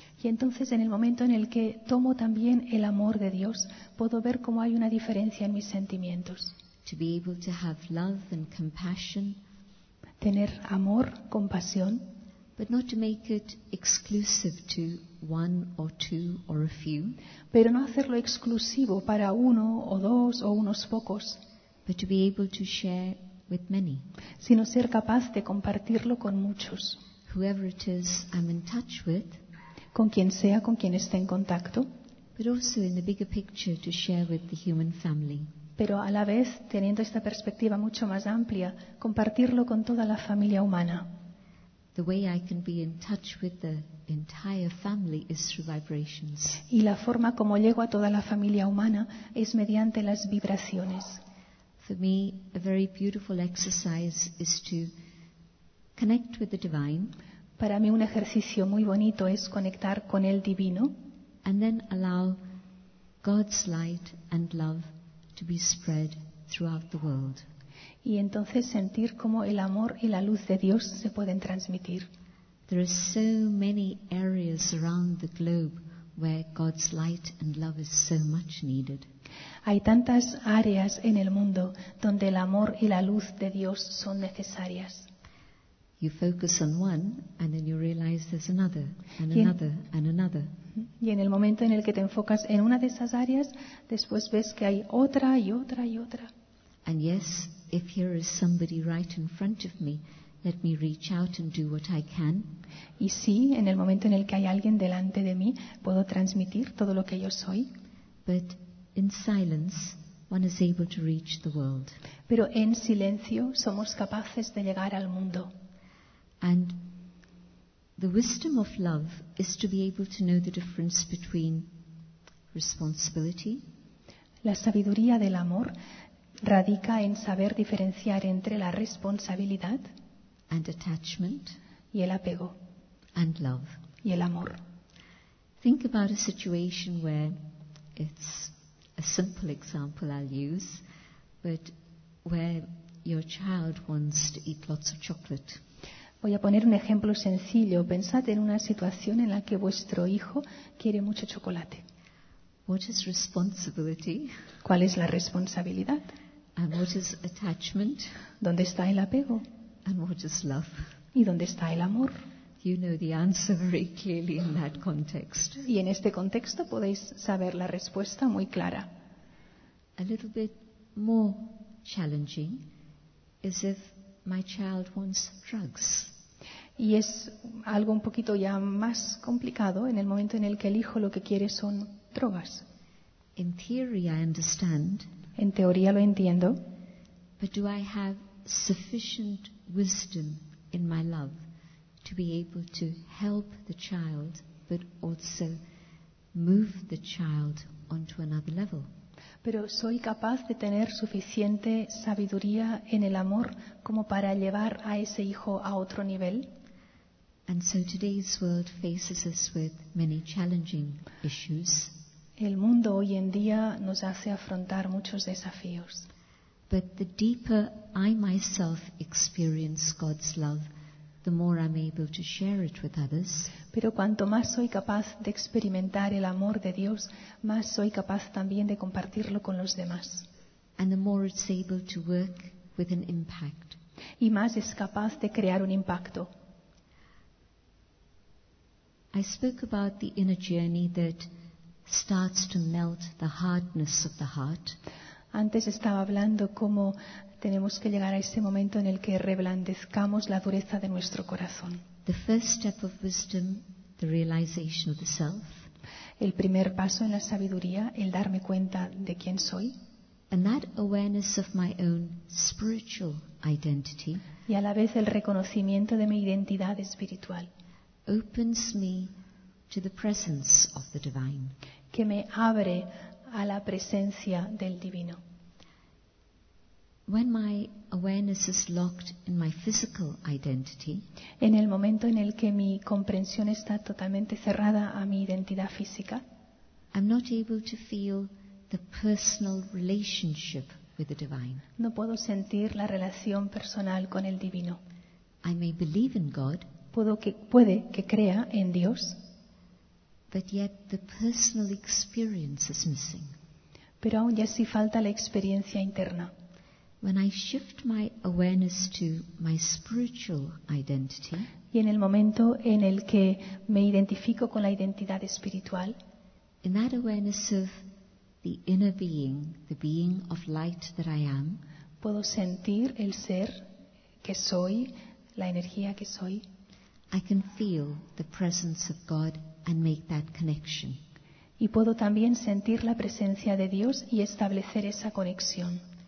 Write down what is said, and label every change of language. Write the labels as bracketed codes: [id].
[es] Y entonces en el momento en el que tomo también el amor de Dios, puedo ver cómo hay una diferencia en mis sentimientos. [en] To be able to have love and compassion, [es] tener amor, compasión, [en] but not to make it exclusive to one or two or a few, [es] pero no hacerlo exclusivo para uno o dos o unos pocos, [en] but to be able to share with many, [es] sino ser capaz de compartirlo con muchos. [en] Whoever it is I'm in touch with, [es] con quien sea, con quien esté en contacto, [en] but also in the bigger picture to share with the human family. [es] Pero a la vez, teniendo esta perspectiva mucho más amplia, compartirlo con toda la familia humana. [en] The way I can be in touch with the entire family is through vibrations. [es] Y la forma como llego a toda la familia humana es mediante las vibraciones. [en] For me, a very beautiful exercise is to connect with the divine. [es] Para mí un ejercicio muy bonito es conectar con el divino. [en] And then allow God's light and love to be spread throughout the world. [es] Y entonces sentir cómo el amor y la luz de Dios se pueden transmitir. [en] There are so many areas around the globe where God's light and love is so much needed. [es] Hay tantas áreas en el mundo donde el amor y la luz de Dios son necesarias. [en] You focus on one and then you realize there's another and another and another. [es] Y en el momento en el que te enfocas en una de esas áreas, después ves que hay otra y otra y otra. [en] And yes, if here is somebody right in front of me, let me reach out and do what I can. [es] Y sí, en el momento en el que hay alguien delante de mí, puedo transmitir todo lo que yo soy. [en] But in silence, one is able to reach the world. [es] Pero en silencio somos capaces de llegar al mundo. [en] And the wisdom of love is to be able to know the difference between responsibility. [es] La sabiduría del amor radica en saber diferenciar entre la responsabilidad [en] and attachment [es] y el apego [en] and love [es] y el amor. [en] Think about a situation where it's a simple example I'll use, but where your child wants to eat lots of chocolate. [es] Voy a poner un ejemplo sencillo. Pensad en una situación en la que vuestro hijo quiere mucho chocolate. [en] What is responsibility? [es] ¿Cuál es la responsabilidad? [en] And what is attachment? [es] ¿Dónde está el apego? [en] And what is love? [es] ¿Y dónde está el amor? [en] You know the answer very clearly in that context. [es] Y en este contexto podéis saber la respuesta muy clara. [en] A little bit more challenging is if my child wants drugs. [es] Y es algo un poquito ya más complicado en el momento en el que el hijo lo que quiere son drogas. [en] In theory I understand. [es] En teoría lo entiendo. [en] But do I have sufficient wisdom in my love to be able to help the child but also move the child onto another level? [es] Pero soy capaz de tener suficiente sabiduría en el amor como para llevar a ese hijo a otro nivel. [en] And so today's world faces us with many challenging issues. [es] El mundo hoy en día nos hace afrontar muchos desafíos. [en] But the deeper I myself experience God's love, the more I'm able to share it with others. [es] Pero cuanto más soy capaz de experimentar el amor de Dios, más soy capaz también de compartirlo con los demás. [en] And the more it's able to work with an impact. [es] Y más es capaz de crear un impacto. [en] I spoke about the inner journey that starts to melt the hardness of the heart. [es] Antes estaba hablando cómo tenemos que llegar a ese momento en el que reblandezcamos la dureza de nuestro corazón. [en] The first step of wisdom, the realization of the self. [es] El primer paso en la sabiduría, el darme cuenta de quién soy. [en] And that awareness of my own spiritual identity. [es] Y a la vez el reconocimiento de mi identidad espiritual. [en] Opens me to the presence of the divine. [es] Que me abre a la presencia del divino. [en] When my awareness is locked in my physical identity, [es] en el momento en el que mi comprensión está totalmente cerrada a mi identidad física, [en] I'm not able to feel the personal relationship with the divine. [es] No puedo sentir la relación personal con el divino. [en] I may believe in God, [es] puede que crea en Dios, [en] but yet the personal experience is missing. [es] Pero aún ya sí falta la experiencia interna. [en] When I shift my awareness to my spiritual identity, [es] y en el momento en el que me identifico con la identidad espiritual, [en] in that awareness of the inner being, the being of light that I am, [es] puedo sentir el ser que soy, la energía que soy, [en] I can feel the presence of God and make that connection. [es] Y puedo también sentir la presencia de Dios y establecer esa conexión.